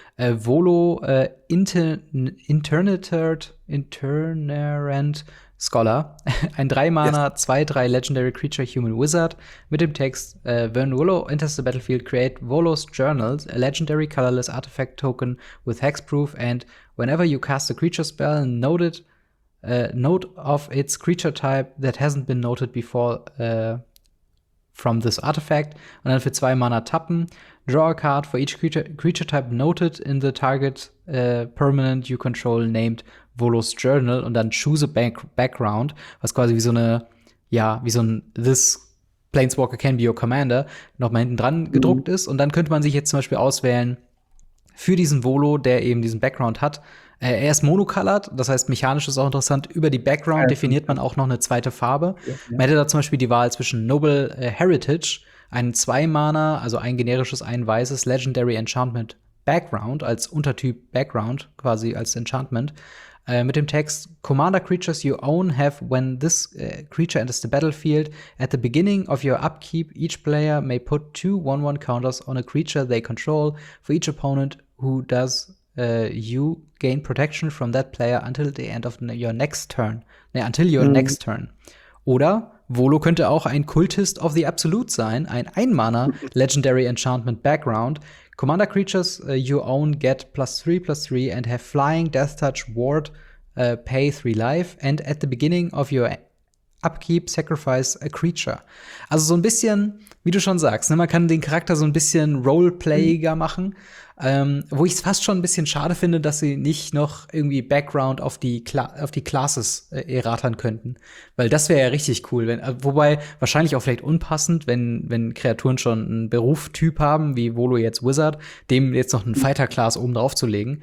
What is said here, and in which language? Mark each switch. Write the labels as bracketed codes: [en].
[en] Volo Internerant Scholar, [de] ein 3-Mana, 2-3 [en] Legendary Creature Human Wizard [de] mit dem Text: [en] When Volo enters the battlefield, create Volo's Journals, a legendary colorless artifact token with hexproof, and whenever you cast a creature spell, note of its creature type that hasn't been noted before from this artifact. [de] Und dann für 2 Mana tappen. [en] Draw a card for each creature type noted in the target permanent you control named Volo's Journal. [de] Und dann [en] choose a background, [de] was quasi wie so eine, ja, wie so ein [en] This Planeswalker can be your commander [de] noch mal hinten dran gedruckt ist. Und dann könnte man sich jetzt zum Beispiel auswählen für diesen Volo, der eben diesen Background hat. Er ist monocolored, das heißt, mechanisch ist auch interessant. Über die Background definiert man auch noch eine zweite Farbe. Ja, ja. Man hätte da zum Beispiel die Wahl zwischen Noble Heritage, ein 2-Mana, also ein generisches, ein weißes Legendary Enchantment Background, als Untertyp Background, quasi als Enchantment, mit dem Text: [en] Commander creatures you own have, when this creature enters the battlefield, at the beginning of your upkeep, each player may put 2/1/1 counters on a creature they control. For each opponent who does, you gain protection from that player until the end of your next turn. [de] Nee, [en] until your next turn. [de] Oder Volo könnte auch ein Cultist of the Absolute sein, ein 1-Mana Legendary Enchantment Background. [en] Commander creatures you own get +3/+3 and have flying, death touch, ward, pay 3 life, and at the beginning of your upkeep, sacrifice a creature. [de] Also so ein bisschen, wie du schon sagst, ne, man kann den Charakter so ein bisschen roleplayiger machen. Wo ich es fast schon ein bisschen schade finde, dass sie nicht noch irgendwie Background auf die Classes erratern könnten. Weil das wäre ja richtig cool. Wobei wahrscheinlich auch vielleicht unpassend, wenn Kreaturen schon einen Berufstyp haben, wie Volo jetzt Wizard, dem jetzt noch einen Fighter-Class oben drauf zu legen.